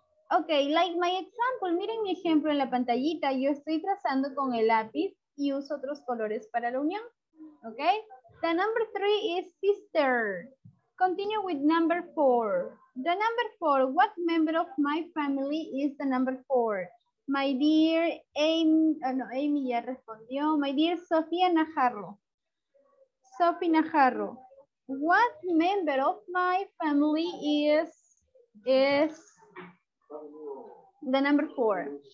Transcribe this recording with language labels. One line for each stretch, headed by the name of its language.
Spanish: Okay,
English: like my example,
Spanish: miren mi ejemplo en la pantallita, yo estoy trazando con el lápiz y uso otros colores para la unión, okay?
English: The number three is sister. Continue with number four. The number four, what member of my family is the number four? My dear Amy, oh no, Amy
Spanish: ya respondió.
English: My dear Sofía Najarro. Sophie Najarro. What member of my family is the number four?